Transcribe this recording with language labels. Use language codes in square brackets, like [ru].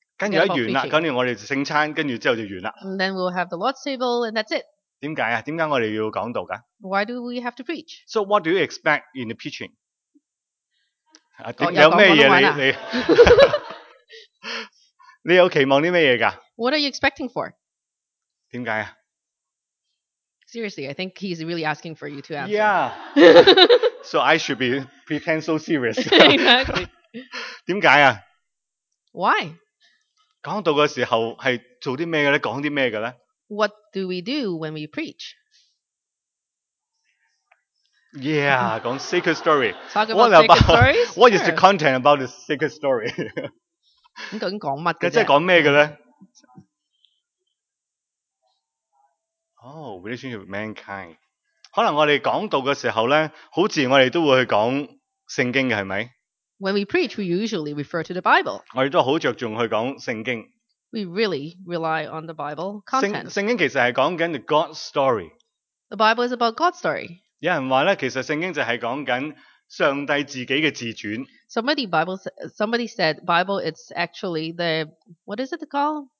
[yue] 跟住就完啦，跟住我哋圣餐，跟住之后就完啦。 [en] And then we'll have the Lord's table, and that's it. [yue] 点解啊？点解我哋要讲道噶 [en] ？Why do we have to preach? So what do you expect in the preaching? [yue] 有咩嘢你你有期望啲咩嘢噶 [en] ？What are you expecting for？ [yue] 点解啊 [en] ？Seriously, I think he's really asking for you to answer. Yeah. So I should be pretend so serious. Exactly. [yue] 点解啊 [en] ？Why？ [yue] 讲到嘅时候系做啲咩嘅咧？讲啲咩嘅咧 [en] ？What do we do when we preach？ Yeah, 讲 secret story. Talk about secret stories. What is the content about the secret story? [yue] 咁究竟讲乜嘅？即系讲咩嘅咧 ？ [en] Oh, relationship with mankind. [yue] 可能我哋讲道嘅时候咧，好自然我哋都会去讲圣经嘅，系咪 [en] ？When we preach, we usually refer to the Bible. [yue] 我哋都好着重去讲圣经。 [en] We really rely on the Bible content. [yue] 圣经其实系讲紧 [en] the God's story. The Bible is about God's story. [yue] 有人话咧，其实圣经就系讲紧上帝自己嘅自传。 [en] Somebody said Bible it's actually the what is it called?